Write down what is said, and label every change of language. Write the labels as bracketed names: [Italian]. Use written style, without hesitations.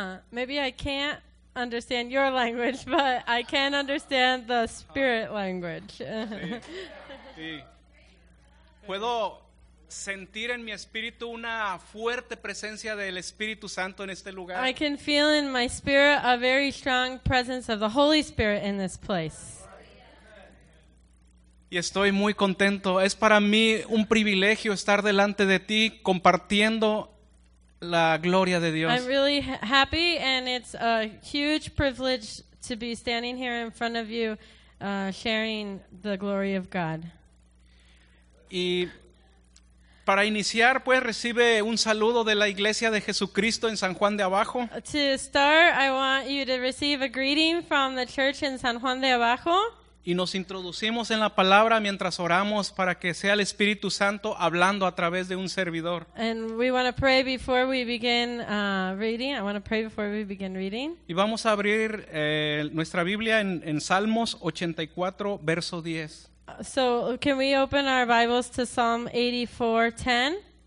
[English] Maybe I can't understand your language, but I can understand the spirit language. [Spanish] Sí. Puedo sentir en mi espíritu una fuerte presencia del Espíritu Santo en este lugar. [English] I can feel in my spirit a very strong presence of the Holy Spirit in this place. [Spanish] Y estoy muy contento. Es para mí un privilegio estar delante de ti compartiendo la gloria de Dios. [English] I'm really happy and it's a huge privilege to be standing here in front of you sharing the glory of God. [Spanish] Y para iniciar, pues recibe un saludo de la Iglesia de Jesucristo en San Juan de Abajo. [English] To start, I want you to receive a greeting from the church in San Juan de Abajo. [Spanish] Y nos introducimos en la palabra mientras oramos para que sea el Espíritu Santo hablando a través de un servidor. [English] And we want to pray before we begin reading. I want to pray before we begin reading. [Spanish] Y vamos a abrir nuestra Biblia en Salmos 84, verso 10. [English] So, can we open our Bibles to Psalm 84:10?